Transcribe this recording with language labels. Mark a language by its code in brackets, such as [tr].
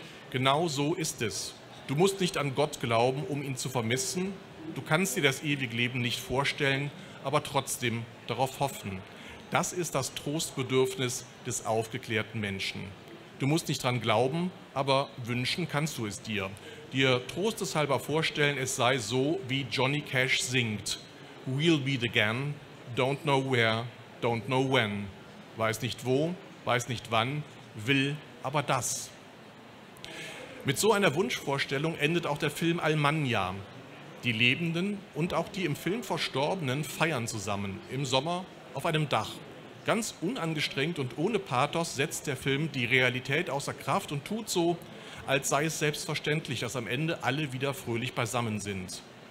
[de] Genau so ist es. Du musst nicht an Gott glauben, um ihn zu vermissen. Du kannst dir das ewige Leben nicht vorstellen, aber trotzdem darauf hoffen. Das ist das Trostbedürfnis des aufgeklärten Menschen. Du musst nicht dran glauben, aber wünschen kannst du es dir. Dir trosteshalber vorstellen, es sei so, wie Johnny Cash singt: [en] We'll meet again, don't know where, don't know when. [de] Weiß nicht wo, weiß nicht wann, will aber das. Mit so einer Wunschvorstellung endet auch der Film Almanya. Die Lebenden und auch die im Film Verstorbenen feiern zusammen, im Sommer auf einem Dach. Ganz unangestrengt und ohne Pathos setzt der Film die Realität außer Kraft und tut so, als sei es selbstverständlich, dass am Ende alle wieder fröhlich beisammen sind.